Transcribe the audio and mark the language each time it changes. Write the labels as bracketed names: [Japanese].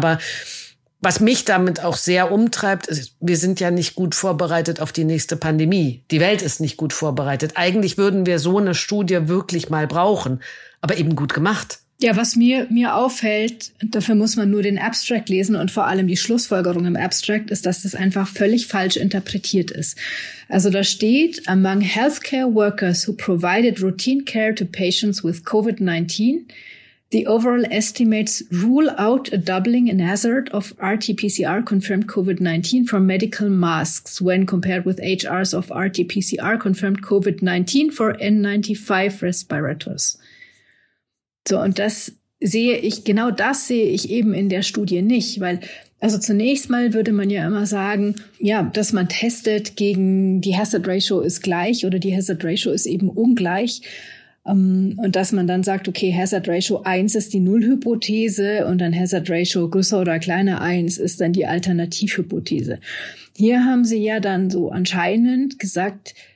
[German] Aber was mich damit auch sehr umtreibt, ist, wir sind ja nicht gut vorbereitet auf die nächste Pandemie. Die Welt ist nicht gut vorbereitet. Eigentlich würden wir so eine Studie wirklich mal brauchen, aber eben gut gemacht. Ja, was mir auffällt, dafür muss man nur den Abstract lesen und vor allem die Schlussfolgerung im Abstract, ist, dass das einfach völlig falsch interpretiert ist. Also da steht, [English] among healthcare workers who provided routine care to patients with COVID-19, the overall estimates rule out a doubling in hazard of RT-PCR confirmed COVID-19 from medical masks when compared with HRs of RT-PCR confirmed COVID-19 for N95 respirators. [German] So, und genau das sehe ich eben in der Studie nicht, weil, also zunächst mal würde man ja immer sagen, ja, dass man testet gegen die Hazard Ratio ist gleich oder die Hazard Ratio ist eben ungleich, und dass man dann sagt, okay, Hazard Ratio 1 ist die Nullhypothese und dann Hazard Ratio größer oder kleiner 1 ist dann die Alternativhypothese. Hier haben sie ja dann so anscheinend gesagt,